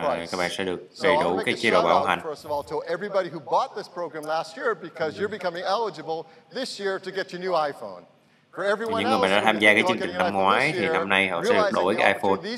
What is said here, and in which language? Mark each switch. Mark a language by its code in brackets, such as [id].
[vi] các bạn sẽ được đầy đủ cái chế độ bảo hành. [en] Everybody who bought this program last year because you're becoming eligible this year to get your new iPhone. For everyone [vi] những người mà đã tham gia cái chương trình năm ngoái thì năm nay họ sẽ được đổi cái iPhone.